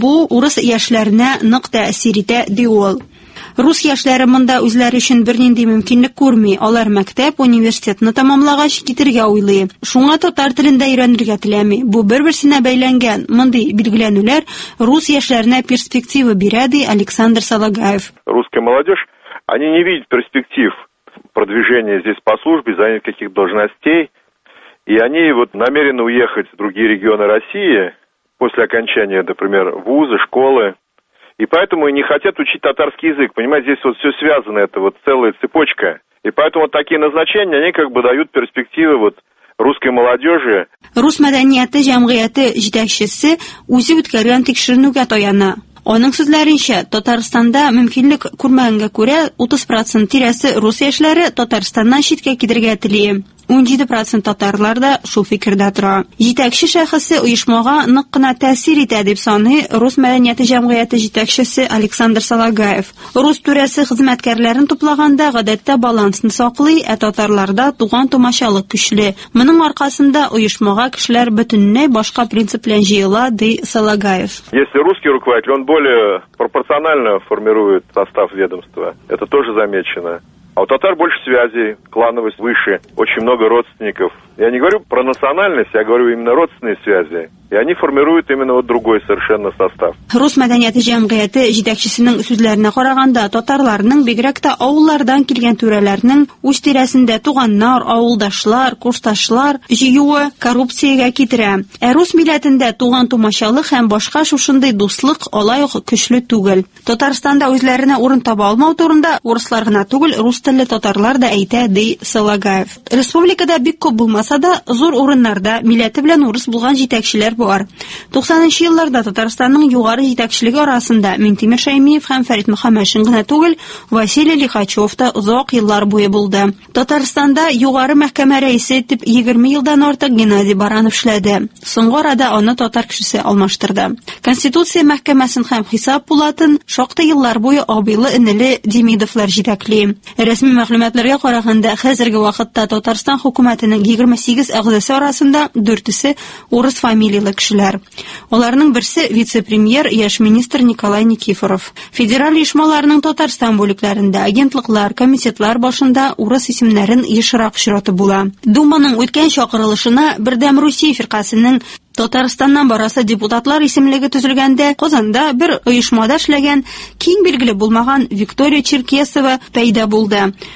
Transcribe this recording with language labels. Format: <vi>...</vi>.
<tt>Бу урыс яшьләренә нык тәэсир итә ди ул. Рус яшьләре монда үзләре өчен бернинди мөмкинлек күрми. Алар мәктәп, университетны тамамлагач китергә уйлый. Шуңа татар телендә өйрәнергә теләми. Бу бер-берсенә бәйләнгән. Мондый билгеләнүләр рус яшьләренә перспектива бирә, ди Александр Салагаев.</tt> <ru>Русская молодежь, они не видят перспектив продвижения здесь по службе, занять каких должностей. И они вот намерены уехать в другие регионы России после окончания, например, вуза, школы. И поэтому и не хотят учить татарский язык. Понимаете, здесь вот все связано, это вот целая цепочка. И поэтому вот такие назначения, они как бы дают перспективы вот русской молодежи.</ru> <tt>Рус мәдәнияте җәмгыяте җитәкчесе үзе үткәргән тикшеренүгә таяна. Аның сүзләренчә, Татарстанда мөмкинлек күрмәгәнгә күрә 30% тирәсе рус яшьләре Татарстаннан читкә китергә тели. 17% татарлар да шул фикердә тора. Җитәкче шәхесе оешмага нык кына тәсир итә дип саный рус мәдәнияте җәмгыяте җитәкчесе Александр Салагаев. Рус түрәсе хезмәткәрләрен туплаганда гадәттә балансны саклый, ә татарларда туган-тумашалык көчле. Моның аркасында оешмага кешеләр бөтенләй башка принцип белән җыела, ди Салагаев.</tt> <ru>Если русский руководитель, он более пропорционально формирует состав ведомства, это тоже замечено. А у татар больше связей, клановость выше, очень много родственников. Я не говорю про национальность, я говорю именно родственные связи. И они формируют именно вот другой совершенно состав.</ru> <tt>Рус мәдәнияте җәмгыяте җитәкчесенең сүзләренә караганда, татарларның бигрәк тә авыллардан килгән түрәләрнең үз тирәсендә туганнар, авылдашлар, курсташлар җыюы коррупциягә китерә. Ә рус милләтендә туган-тумашалык һәм башка шушындый дуслык алай ук көчле түгел. Татарстанда үзләренә урын таба алмау турында урыслар гына түгел, рус телле татарлар да әйтә, ди Салагаев. Республикада бик күп булмаса да, зур урыннарда милләте белән урыс булган җитәкчеләр бар. 90-нчы елларда Татарстанның югары җитәкчелеге арасында Минтимер Шәймиев һәм Фәрит Мөхәммәшин генә түгел, Василий Лихачев та озак еллар буе булды. Татарстанда югары мәхкәмә рәисе итеп 20 елдан артык Геннадий Баранов эшләде. Соңгы арада аны татар кешесе алмаштырды. Конституция мәхкәмәсен һәм хисап булатын шакты еллар буе абыйлы энеле Демидовлар җитәкли. Рәсми мәгълүматларга караганда, хәзерге вакытта Татарстан хөкүмәтенең 28 әгъзасы арасында 4-се урыс милиле кешеләр. Аларның берсе вице-премьер, яш министр Николай Никифоров. Федераль оешмаларның Татарстан бүлекләрендә агентлыклар, комитетлар башында урыс исемнәрен ешрак очраты була. Думаның үткән чакырылышына Бердәм Русия фиркасының Татарстаннан барасы депутатлар исемлеге төзелгәндә Казанда бер оешмада эшләгән киң билгеле булмаган Виктория Черкесова пайда булды.</tt>